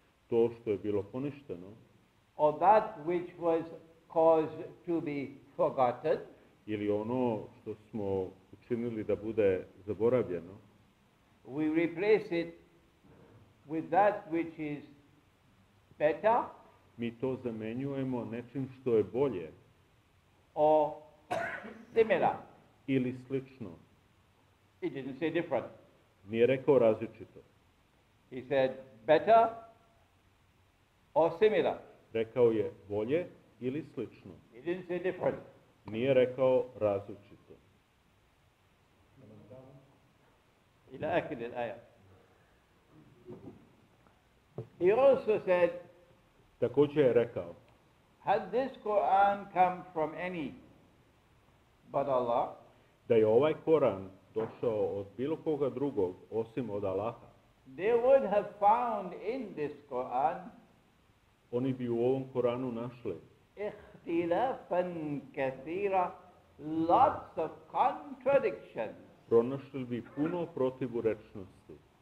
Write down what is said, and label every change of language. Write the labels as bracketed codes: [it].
[sr] To što je bilo poništeno. [en] Or that which was caused to be forgotten. [sr] Ili ono što smo učinili da bude zaboravljeno. [en] We replace it with that which is better. [sr] Mi to zamenjujemo nečim što je bolje. [en] Or similar. [sr] Ili slično. [en] He didn't say different. [sr] Nije rekao različito. [en] He said better or similar. [sr] Rekao je bolje ili slično. [en] He didn't say different. [sr] Nije rekao različito. [ar] Ila akhir al-aya. [en] He also said, [sr] također je rekao, [en] had this Quran come from any but Allah, [sr] da je ovaj Koran došao od bilo koga drugog osim od Allaha, [en] they would have found in this Quran, [sr] oni bi u ovom Koranu našli [ar] ihtilafan kathira, [en] lots of contradictions. [sr] Pronašli bi puno protivurečnosti.